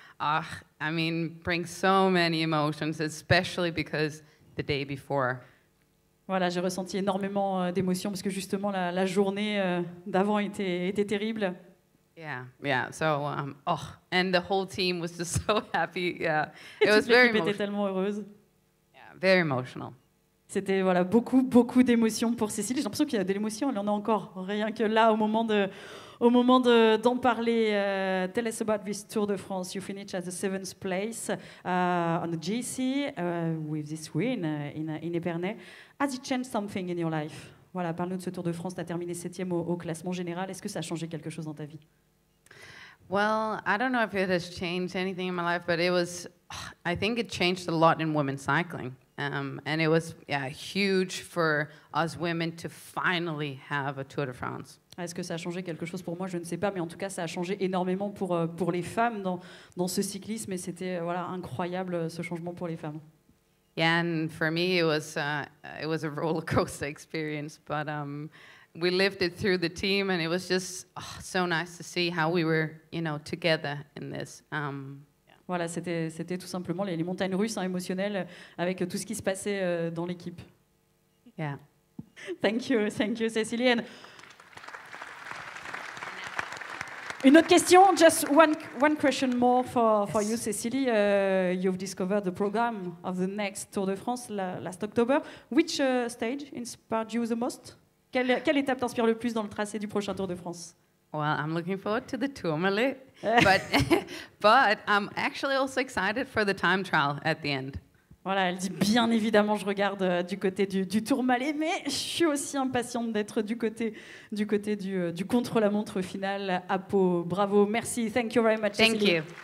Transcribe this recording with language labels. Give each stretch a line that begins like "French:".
English: I mean, brings so many emotions, especially because the day before.
French: Voilà, j'ai ressenti énormément d'émotions parce que justement la journée d'avant était terrible.
English: Yeah. So, and the whole team was just so happy. Yeah. It was very emotional.
French: Était tellement heureuse.
English: Yeah, very emotional.
French: C'était voilà beaucoup d'émotions pour Cécile. J'ai l'impression qu'il y a de l'émotion. Elle en a encore rien que là au moment de d'en parler.
English: Tell us about this Tour de France. You finish at the seventh place on the GC with this win in Épernay. Has it changed something in your life?
French: Voilà, parle-nous de ce Tour de France. Tu as terminé septième au classement général. Est-ce que ça a changé quelque chose dans ta vie?
English: Well, I don't know if it has changed anything in my life, but it was. I think it changed a lot in women's cycling. And it was huge for us women to finally have a Tour de France.
French: Est-ce que ça a changé quelque chose pour moi? Je ne sais pas, mais en tout cas, ça a changé énormément pour les femmes dans ce cyclisme. Et c'était voilà incroyable ce changement pour les femmes.
English: Yeah, and for me, it was a roller coaster experience. But we lived it through the team, and it was just so nice to see how we were, you know, together in this.
French: Voilà, c'était tout simplement les montagnes russes hein, émotionnelles avec tout ce qui se passait dans l'équipe.
English: Yeah. Thank you, Cécilienne.
French: Une autre question,
English: just one question more for you, Cécilie. You've discovered the program of the next Tour de France last October. Which stage inspired you the most?
French: Quelle étape t'inspire le plus dans le tracé du prochain Tour de France?
English: Well, I'm looking forward to the Tourmalet. but I'm actually also excited for the time trial at the end.
French: Voilà, elle dit bien évidemment, je regarde du côté du Tourmalet, mais je suis aussi impatiente d'être du côté du contre-la-montre final à Pau. Bravo, merci.
English: Thank you very much. Thank you.